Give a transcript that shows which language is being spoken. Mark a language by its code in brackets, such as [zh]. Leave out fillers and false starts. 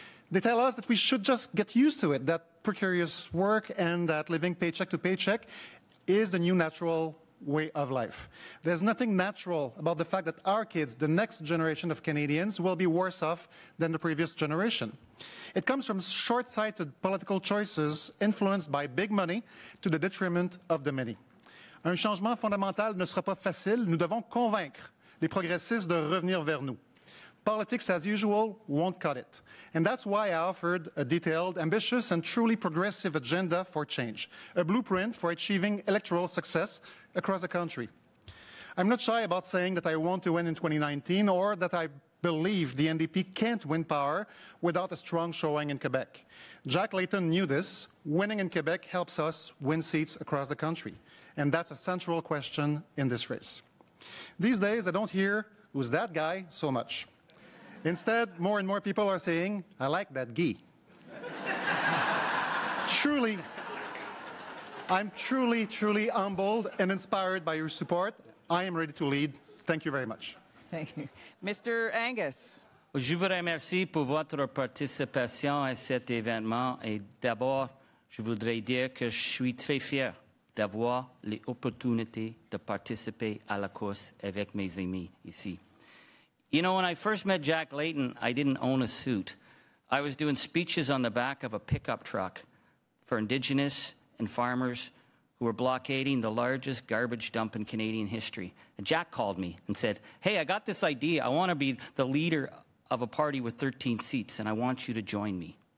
[en] They tell us that we should just get used to it, that precarious work and that living paycheck to paycheck is the new natural way of life. There's nothing natural about the fact that our kids, the next generation of Canadians, will be worse off than the previous generation. It comes from short-sighted political choices influenced by big money to the detriment of the many. [fr] Un changement fondamental ne sera pas facile. Nous devons convaincre les progressistes de revenir vers nous. [en] Politics, as usual, won't cut it. And that's why I offered a detailed, ambitious, and truly progressive agenda for change, a blueprint for achieving electoral success across the country. I'm not shy about saying that I want to win in 2019 or that I believe the NDP can't win power without a strong showing in Quebec. Jack Layton knew this. Winning in Quebec helps us win seats across the country. And that's a central question in this race. These days, I don't hear, who's that guy, so much. Instead, more and more people are saying, I like that Guy. Truly, I'm truly, truly humbled and inspired by your support. I am ready to lead. Thank you very much. Thank you. Mr. Angus. [fr] Je vous remercie pour votre participation à cet événement. Et d'abord, je voudrais dire que je suis très fier d'avoir l'opportunité de participer à la course avec mes amis ici. [en] You know, when I first met Jack Layton, I didn't own a suit. I was doing speeches on the back of a pickup truck for Indigenous and farmers who were blockading the largest garbage dump in Canadian history. And Jack called me and said, hey, I got this idea. I want to be the leader of a party with 13 seats, and I want you to join me.